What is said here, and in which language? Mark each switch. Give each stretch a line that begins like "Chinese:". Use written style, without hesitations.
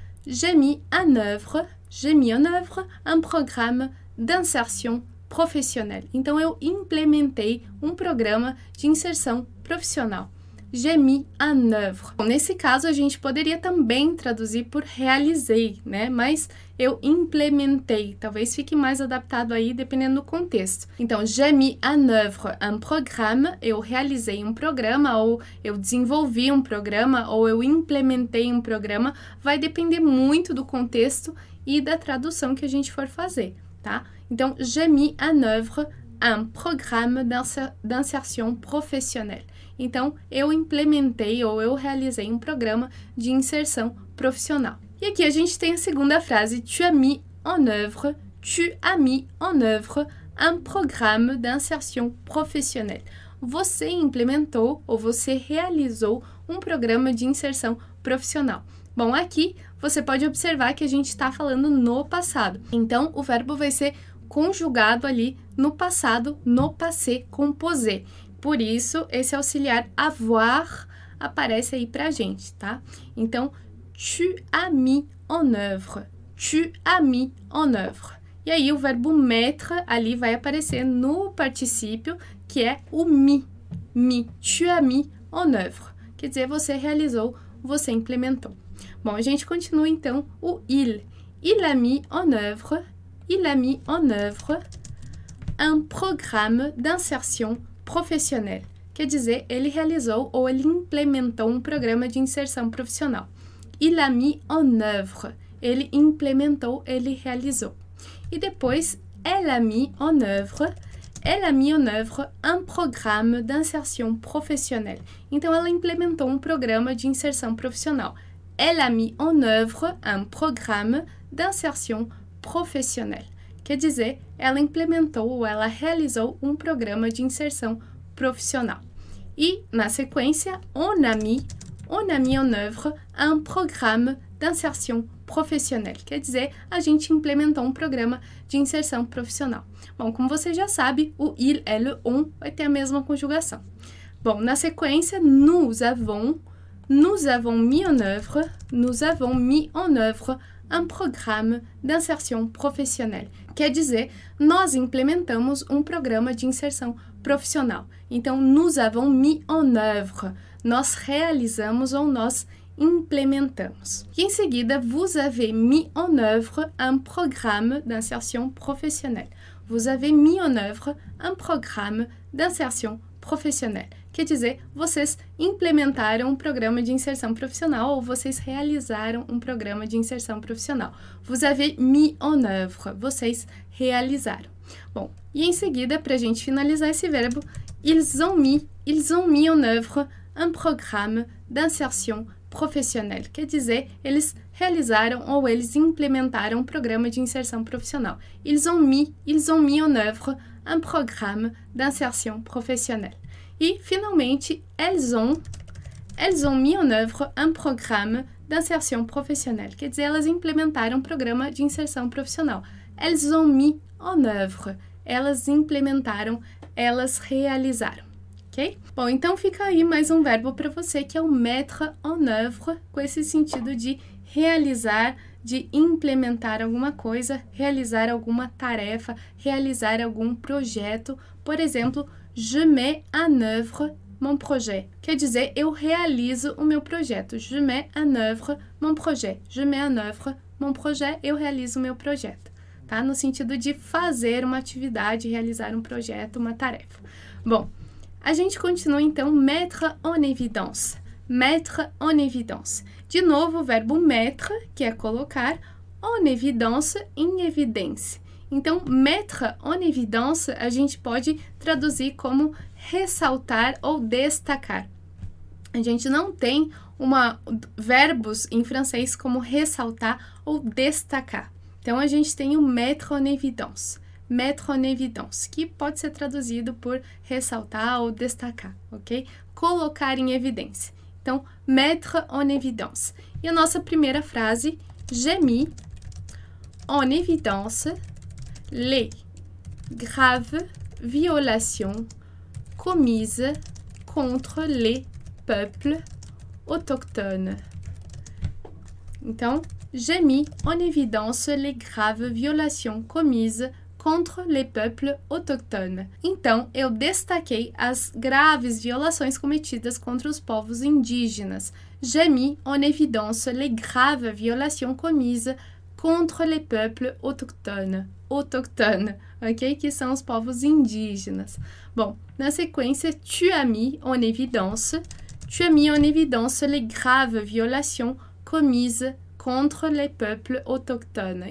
French: J'ai mis en œuvre un programme d'insertion professionnelle.
Portuguese: Então eu implementei um programa de inserção profissional.
French: J'ai mis en œuvre.
Portuguese: Bom, nesse caso, a gente poderia também traduzir por realizei, né? Mas eu implementei. Talvez fique mais adaptado aí, dependendo do contexto.
French: Então, j'ai mis en œuvre un programme.
Portuguese: Eu realizei um programa, ou eu desenvolvi um programa, ou eu implementei um programa. Vai depender muito do contexto e da tradução que a gente for fazer, tá?
French: Então, j'ai mis en œuvre un programme d'insertion professionnelle.
Portuguese: Então, eu implementei ou eu realizei um programa de inserção profissional. E aqui a gente tem a segunda frase:
French: tu as mis en œuvre un programme d'insertion professionnelle.
Portuguese: Você implementou ou você realizou um programa de inserção profissional. Bom, aqui você pode observar que a gente está falando no passado. Então, o verbo vai ser conjugado ali no passado, no passé composé. Por isso, esse auxiliar avoir aparece aí pra gente, tá?
French: Então, tu as mis en œuvre. Tu as mis en œuvre.
Portuguese: E aí, o verbo mettre ali vai aparecer no particípio, que é o mis. Mis.
French: Tu as mis en œuvre.
Portuguese: Quer dizer, você realizou, você implementou. Bom, a gente continua então o il.
French: Il a mis en œuvre. Il a mis en œuvre un programme d'insertion professionnelle.
Portuguese: Quer dizer, ele realizou ou ele implementou um programa de inserção profissional.
French: Il a mis en œuvre.
Portuguese: Ele implementou, ele realizou. E depois,
French: elle a mis en œuvre un programme d'insertion professionnelle.
Portuguese: Então, ela implementou um programa de inserção profissional.
French: Elle a mis en œuvre un programme d'insertion professionnelle.
Portuguese: Quer dizer, ela implementou ou ela realizou um programa de inserção profissional. E, na sequência,
French: on a mis en œuvre un programme d'insertion professionnelle.
Portuguese: Quer dizer, a gente implementou um programa de inserção profissional. Bom, como você já sabe, o il e le on vai ter a mesma conjugação. Bom, na sequência,
French: nous avons mis en œuvre un programme d'insertion professionnelle.
Portuguese: Quer dizer, nós implementamos um programa de inserção profissional.
French: Então, nous avons mis en œuvre.
Portuguese: Nós realizamos ou nós implementamos.
French: E em seguida, vous avez mis en œuvre un programme d'insertion professionnelle. Vous avez mis en œuvre un programme d'insertion professionnelle.
Portuguese: Quer dizer, vocês implementaram um programa de inserção profissional ou vocês realizaram um programa de inserção profissional.
French: Vous avez mis en œuvre.
Portuguese: Vocês realizaram. Bom, e em seguida, para a gente finalizar esse verbo,
French: ils ont mis en œuvre un programme d'insertion professionnelle.
Portuguese: Quer dizer, eles realizaram ou eles implementaram um programa de inserção profissional.
French: Ils ont mis en œuvre un programme d'insertion professionnelle.
Portuguese: E, finalmente,
French: elles ont mis en œuvre un programme d'insertion professionnelle.
Portuguese: Quer dizer, elas implementaram um programa de inserção profissional.
French: Elles ont mis en œuvre.
Portuguese: Elas implementaram, elas realizaram. Ok? Bom, então fica aí mais um verbo para você, que é o mettre en œuvre, com esse sentido de realizar, de implementar alguma coisa, realizar alguma tarefa, realizar algum projeto. Por exemplo,
French: je mets en œuvre mon projet.
Portuguese: Quer dizer, eu realizo o meu projeto.
French: Je mets en œuvre mon projet. Je mets en œuvre mon projet.
Portuguese: Eu realizo o meu projeto. tá? No sentido de fazer uma atividade, realizar um projeto, uma tarefa. Bom, a gente continua então, mettre en évidence. Mettre en évidence. De novo, o verbo mettre, que é colocar, en évidence, em evidência. Então, mettre en évidence, a gente pode traduzir como ressaltar ou destacar. A gente não tem verbos em francês como ressaltar ou destacar. Então, a gente tem o mettre en évidence, que pode ser traduzido por ressaltar ou destacar, ok? Colocar em evidência. Então, mettre en évidence. E a nossa primeira frase,
French: j'ai mis en évidence les graves violations commises contre les peuples autochtones. Então, j'ai mis en évidence les graves violations commises contre les peuples autochtones.
Portuguese: Então, eu destaquei as graves violações cometidas contra os povos indígenas.
French: J'ai mis en évidence les graves violations commises contre les peuples autochtones. Autochtones, ok?
Portuguese: Que são os povos indígenas. Bom, na sequência,
French: tu as mis en évidence. Tu as mis en évidence les graves violations commises contre les peuples autochtones.